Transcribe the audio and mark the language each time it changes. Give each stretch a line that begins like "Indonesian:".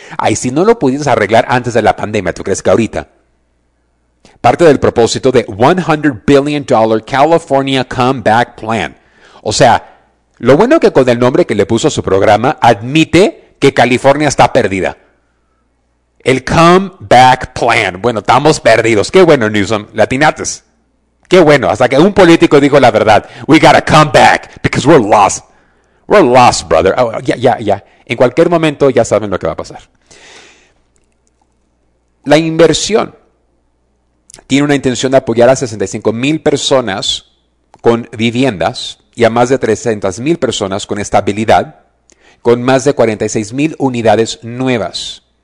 Spanish: Ay, si no lo pudiste arreglar antes de la pandemia, ¿tú crees que ahorita? Parte del propósito de 100 billion dollar California Comeback Plan. O sea, lo bueno que con el nombre que le puso a su programa admite que California está perdida. El Comeback Plan. Bueno, estamos perdidos. Qué bueno, Newsom. Latinates. Qué bueno. Hasta que un político dijo la verdad.
English: We gotta come back because we're lost. We're lost, brother. Oh, ya.
Spanish: En cualquier momento ya saben lo que va a pasar. La inversión tiene una intención de apoyar a 65 mil personas con viviendas y a más de 300 mil personas con estabilidad, con más de 46 mil unidades nuevas.